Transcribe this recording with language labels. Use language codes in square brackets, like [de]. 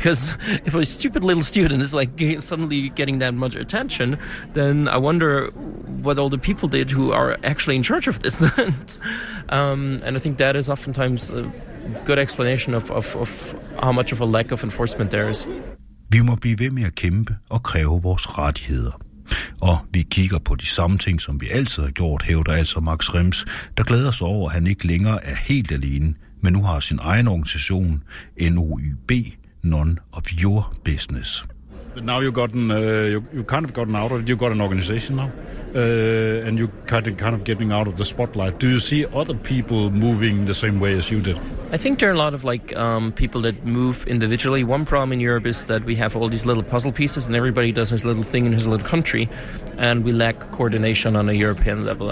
[en] Because if a stupid little student is like suddenly getting that much attention, then I wonder what all the people did who are actually in charge of this. And I think that is oftentimes a good explanation of how much of a lack of enforcement there is. [da] Vi må blive ved med at kæmpe og kræve vores rettigheder. Og vi kigger på de samme ting, som vi altid har gjort, hævder altså Max Rims, der glæder sig over, at han ikke længere er helt alene, men nu har sin egen organisation, NOYB, None of Your Business. [en] But now you've gotten, you kind of gotten out of it, you've got an organization now, and you kind of getting out of the spotlight. Do you see other people moving the same way as you did? I think there are a lot of people that move individually. One problem in Europe is that we have all these little puzzle pieces and everybody does his little thing in his little country, and we lack coordination on a European level.